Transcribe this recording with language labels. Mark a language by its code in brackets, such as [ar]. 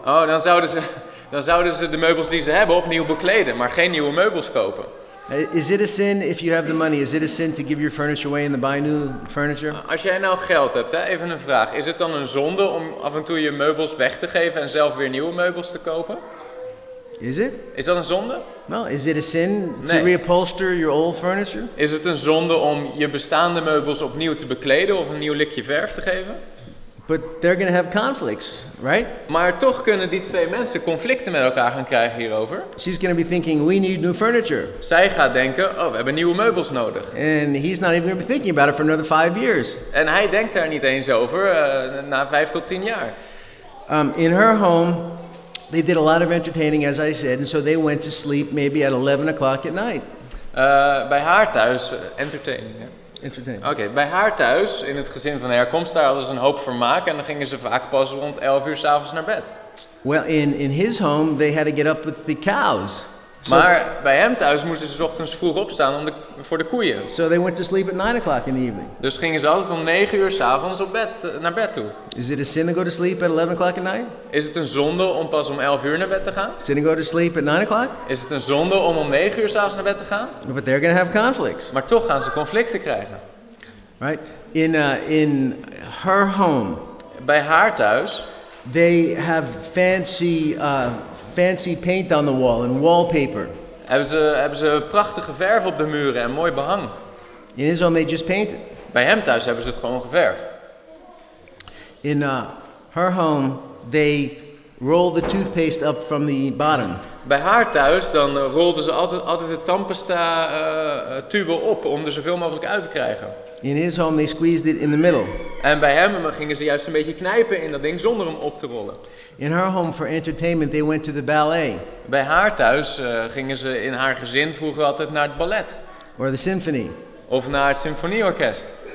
[nl] Oh, dan zouden ze de meubels die ze hebben opnieuw bekleden, maar geen nieuwe meubels kopen. [en] Is it a sin if you have the money? Is it a sin to give your furniture away and to buy new furniture? [nl] Als jij nou geld hebt, hè, even een vraag. Is het dan een zonde om af en toe je meubels weg te geven en zelf weer nieuwe meubels te kopen? [en] Is it? [nl] Is dat een zonde? [en] No, is it a sin to reupholster your old furniture? [nl] Is het een zonde om je bestaande meubels opnieuw te bekleden of een nieuw likje verf te geven? [en] But they're going to have conflicts, right? [nl] Maar toch kunnen die twee mensen conflicten met elkaar gaan krijgen hierover. [en] She's going to be thinking, we need new furniture. [nl] Zij gaat denken, oh, we hebben nieuwe meubels nodig. [en] And he's not even going to be thinking about it for another 5 years. [nl] En hij denkt daar niet eens over na 5 tot 10 jaar. [en] In her home, they did a lot of entertaining, as I said, and so they went to sleep maybe at 11 o'clock at night. [nl] Bij haar thuis, [en] entertaining, yeah. [nl] Oké, bij haar thuis, in het gezin van herkomst, daar hadden ze een hoop vermaak en dan gingen ze vaak pas rond 11 uur 's avonds naar bed. [en] Well, in his home, they had to get up with the cows. [nl] So, maar bij hem thuis moesten ze 's ochtends vroeg opstaan voor de koeien. [en] So they went to sleep at 9 o'clock in the evening. [nl] Dus gingen ze altijd om 9 uur 's avonds op bed, naar bed toe. [en] Is it a sin to go to sleep at 11 o'clock at night? [nl] Is het een zonde om pas om 11 uur naar bed te gaan? [en] Sin to go to sleep at 9 o'clock? [nl] Is het een zonde om om 9 uur 's avonds naar bed te gaan? [en] But they're going to have conflicts. [nl] Maar toch gaan ze conflicten krijgen. [en] Right? In her home. [nl] Bij haar thuis. [en] They have fancy... fancy paint on the wall and wallpaper. [nl] Hebben ze prachtige verf op de muren en mooi behang. [en] In his home they just painted. [nl] Bij hem thuis hebben ze het gewoon geverfd. [en] In her home they roll the toothpaste up from the bottom. [nl] Bij haar thuis dan rolden ze altijd de tandpasta tube op om er zoveel mogelijk uit te krijgen. [en] In his home they squeezed it in the middle. [nl] En bij hem gingen ze juist een beetje knijpen in dat ding zonder hem op te rollen. [en] In her home for entertainment they went to the ballet. [nl] Bij haar thuis gingen ze in haar gezin vroeger altijd naar het ballet. [en] Or the symphony. [nl] Of naar het symfonieorkest.